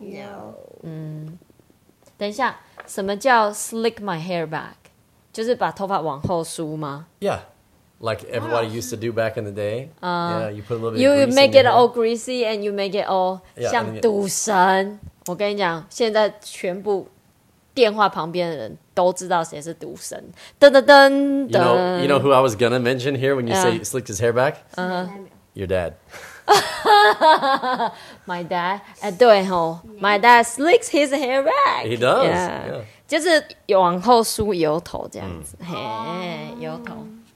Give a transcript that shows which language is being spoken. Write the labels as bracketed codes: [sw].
[en] No. [zh] 等一下, 什么叫 [en] slick my hair back? [zh] 就是把头发往后梳吗? [en] Yeah, like everybody used to do back in the day. You put a little bit of grease in your hair. You make it all greasy and you make it all [zh] 像赌神. 我跟你讲, 现在全部... 电话旁边的人都知道谁是赌神. [en] You know who I was gonna mention here when you say he slicked his hair back? Your dad. My dad. [zh] 对吼, [en] my dad slicks his hair back. He does. Yeah. [zh] 就是往后梳油头这样子.Hey, 油头.